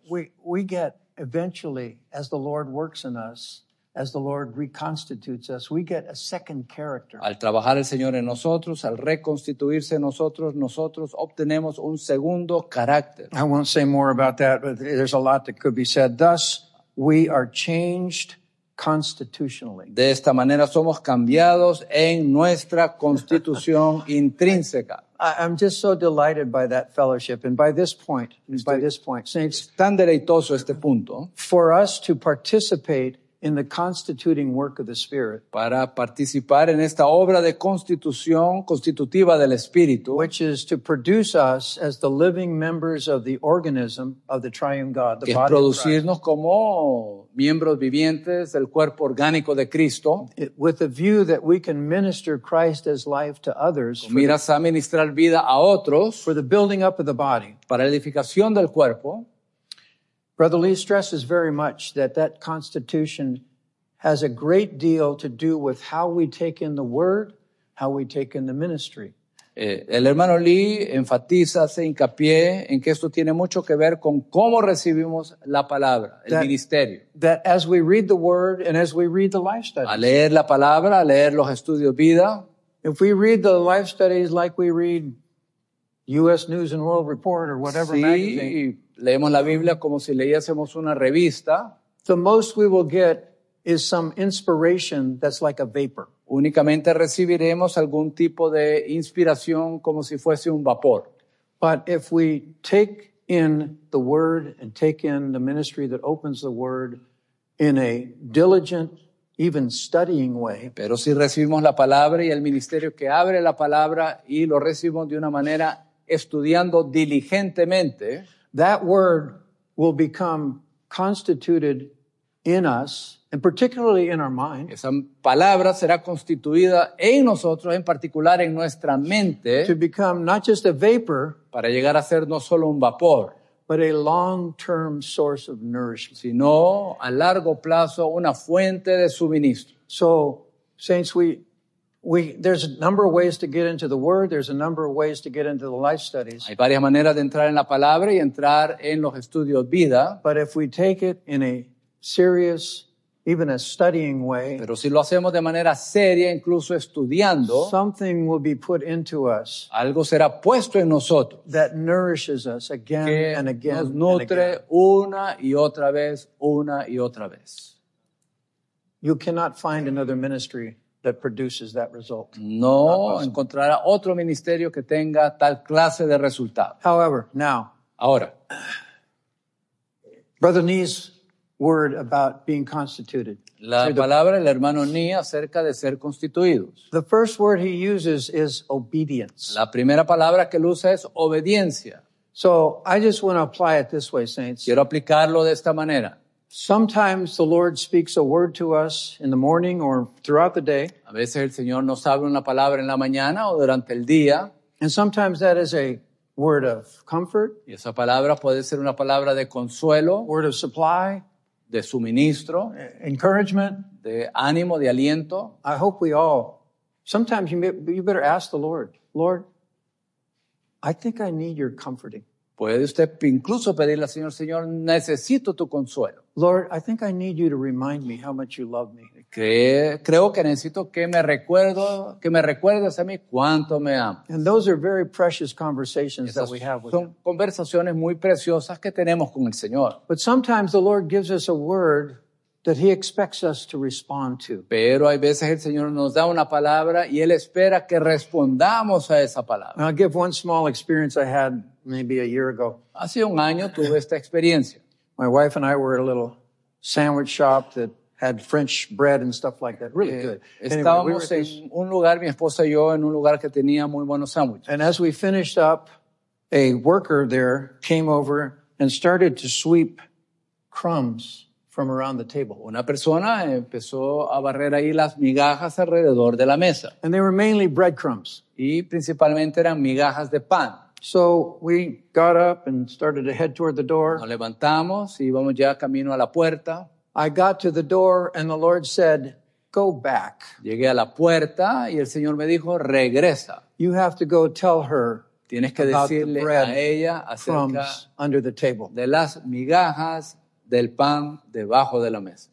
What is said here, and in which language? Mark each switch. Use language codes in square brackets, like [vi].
[en] We get eventually, as the Lord works in us, as the Lord reconstitutes us, we get a second character. [es] Al trabajar el Señor en nosotros, al reconstituirse en nosotros, nosotros obtenemos un segundo carácter. [en] I won't say more about that, but there's a lot that could be said. Thus, we are changed constitutionally. [es] De esta manera somos cambiados en nuestra constitución intrínseca. [en] I'm just so delighted by that fellowship. And by this point, saints, [es] tan deleitoso este punto, [en] for us to participate in the constituting work of the Spirit, [es] para participar en esta obra de constitución constitutiva del Espíritu, [en] which is to produce us as the living members of the organism of the triune God, the [es] que [en] body [es] es producirnos como miembros vivientes del cuerpo orgánico de Cristo, [en] with a view that we can minister Christ as life to others, [es] con miras a ministrar vida a otros, [en] for the building up of the body, [es] para la edificación del cuerpo. [en] Brother Lee stresses very much that constitution has a great deal to do with how we take in the word, how we take in the ministry. [es] El hermano Lee enfatiza, hace hincapié en que esto tiene mucho que ver con cómo recibimos la palabra, el ministerio. [en] That as we read the word and as we read the life studies. [es] A leer la palabra, a leer los estudios vida. [en] If we read the life studies like we read U.S. News and World Report or whatever [es] sí, [en] magazine. [es] Leemos la Biblia como si leyésemos una revista. [en] The most we will get is some inspiration that's like a vapor. [es] Únicamente recibiremos algún tipo de inspiración como si fuese un vapor. [en] But if we take in the word and take in the ministry that opens the word in a diligent, even studying way. [es] Pero si recibimos la palabra y el ministerio que abre la palabra y lo recibimos de una manera estudiando diligentemente. [en] That word will become constituted in us, and particularly in our mind. [es] Esa palabra será constituida en nosotros, en particular en nuestra mente. [en] To become not just a vapor, [es] para llegar a ser no solo un vapor, [en] but a long-term source of nourishment. [es] Sino a largo plazo una fuente de suministro. [en] So, saints, there's a number of ways to get into the word. There's a number of ways to get into the life studies. [es] Hay varias maneras de entrar en la palabra y entrar en los estudios vida. [en] But if we take it in a serious, even a studying way. [es] Pero si lo hacemos de manera seria, incluso estudiando. [en] Something will be put into us. [es] Algo será puesto en nosotros. [en] That nourishes us again and again and again. [es] Que nos nutre una y otra vez, una y otra vez. [en] You cannot find another ministry that produces that result. [es] No encontrará otro ministerio que tenga tal clase de resultado. [en] However, now, [es] ahora, [en] Brother Nee's word about being constituted. [es] La palabra del hermano Nee acerca de ser constituidos. [en] The first word he uses is obedience. [es] La primera palabra que él usa es obediencia. [en] So I just want to apply it this way, saints. [es] Quiero aplicarlo de esta manera. [en] Sometimes the Lord speaks a word to us in the morning or throughout the day. [es] A veces el Señor nos habla una palabra en la mañana o durante el día. [en] And sometimes that is a word of comfort. [es] Y esa palabra puede ser una palabra de consuelo. [en] Word of supply. [es] De suministro. [en] Encouragement. [es] De ánimo, de aliento. [en] I hope we all. Sometimes you better ask the Lord. Lord, I think I need your comforting. [es] Puede usted incluso pedirle al Señor, Señor, necesito tu consuelo. [en] Lord, I think I need you to remind me how much you love me. [es] Creo que necesito que me recuerdes a mí cuánto me amas. [en] And those are very precious conversations that we have with him. [es] Son conversaciones muy preciosas que tenemos con el Señor. [en] But sometimes the Lord gives us a word that he expects us to respond to. [es] Pero hay veces el Señor nos da una palabra y él espera que respondamos a esa palabra. [en] I'll give one small experience I had maybe a year ago. [es] Hace un año tuve esta experiencia. [en] My wife and I were at a little sandwich shop that had French bread and stuff like that. Really good. [es] Estábamos en un lugar, mi esposa y yo, en un lugar que tenía muy buenos sándwiches. [en] And as we finished up, a worker there came over and started to sweep crumbs from around the table. [es] Una persona empezó a barrer ahí las migajas alrededor de la mesa. [en] And they were mainly breadcrumbs. [es] Y principalmente eran migajas de pan. [en] So we got up and started to head toward the door. [es] Nos levantamos y íbamos ya camino a la puerta. [en] I got to the door and the Lord said, go back. [es] Llegué a la puerta y el Señor me dijo, regresa. [en] You have to go tell her. [es] Tienes que decirle [en] about the bread [es] a ella acerca [en] crumbs under the table. [es] De las migajas del pan debajo de la mesa.